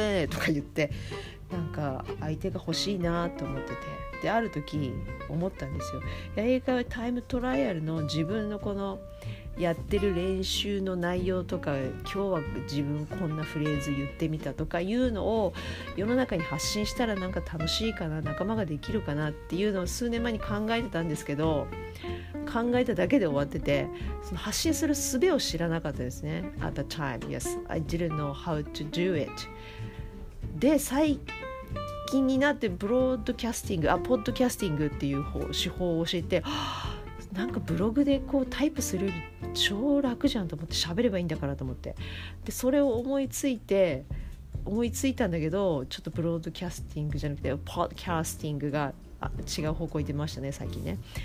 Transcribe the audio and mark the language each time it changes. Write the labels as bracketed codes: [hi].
[ja] とか言って、なんか相手が欲しいなと思ってて、である時思ったんですよ、やり方はタイムトライアルの自分のこのやってる練習の内容とか、今日は自分こんなフレーズ言ってみたとかいうのを世の中に発信したらなんか楽しいかな、仲間ができるかなっていうのを数年前に考えてたんですけど、考えただけで終わってて、その発信する術を知らなかったですね。 [en] At the time, yes, I didn't know how to do it. [ja] で最近になってブロードキャスティング、あ、ポッドキャスティングっていう方手法を教えて、なんかブログでこうタイプするより超楽じゃんと思って、喋ればいいんだからと思って、でそれを思いついたんだけど、ちょっとブロードキャスティングじゃなくてポッドキャスティングが違う方向行ってましたね最近ね。